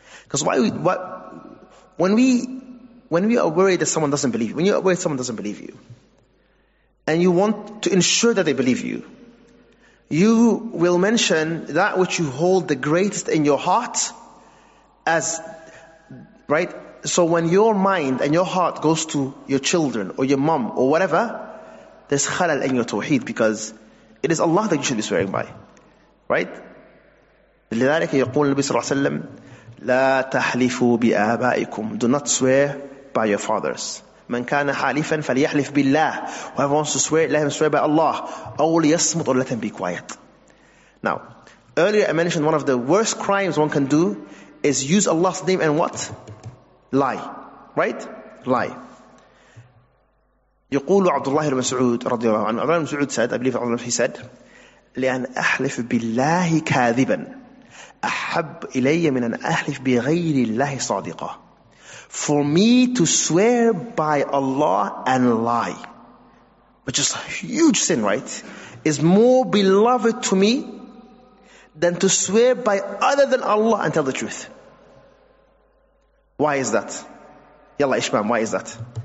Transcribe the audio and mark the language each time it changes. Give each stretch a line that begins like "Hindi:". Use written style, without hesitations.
English: Because when we are worried that someone doesn't believe you, when you are worried someone doesn't believe you, and you want to ensure that they believe you, you will mention that which you hold the greatest in your heart as Right? So when your mind and your heart goes to your children or your mom or whatever, there's khalal in your tawheed, because it is Allah that you should be swearing by. Right?
Arabic: لذلك يقول النبي صلى الله عليه وسلم لا تحلفوا بآبائكم.
English: Do not swear by your fathers.
Arabic: من كان حالفا فليحلف بالله.
English: Whoever wants to swear, let him swear by Allah.
Arabic: أو ليصمت,
English: or let him be quiet. Now, earlier I mentioned one of the worst crimes one can do is use Allah's name and what? Lie. Right? Lie.
Arabic: يقول عبد الله بن مسعود رضي الله عنه. عبد الله بن مسعود
English: said, I believe
Arabic: عبد الله,
English: he said,
Arabic: لأن أحلف بالله كاذبا أحب إلي من أن أحلف بغير الله صادقا.
English: For me to swear by Allah and lie, which is a huge sin, right, is more beloved to me than to swear by other than Allah and tell the truth. Why is that? Yalla Ishmael, why is that?